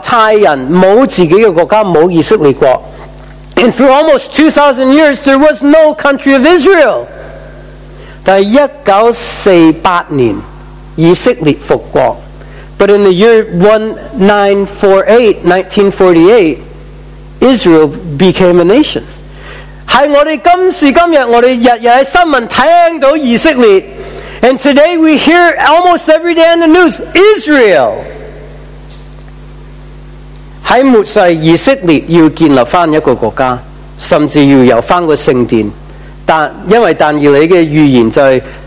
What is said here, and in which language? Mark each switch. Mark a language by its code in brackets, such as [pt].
[zh] 是有差不多2000年犹太人没有自己的国家，没有以色列国。 [en] And for almost 2,000 years, there was no country of Israel. [zh] 但1948年以色列复国。 [en] But in the year 1948, Israel became a nation. [zh] 是我们今时今日，我们日日在新闻听到以色列。 [en] And today we hear almost every day in the news, Israel. [zh] 在末世以色列要建立一个国家甚至要有一个圣殿但因为但以理的预言就是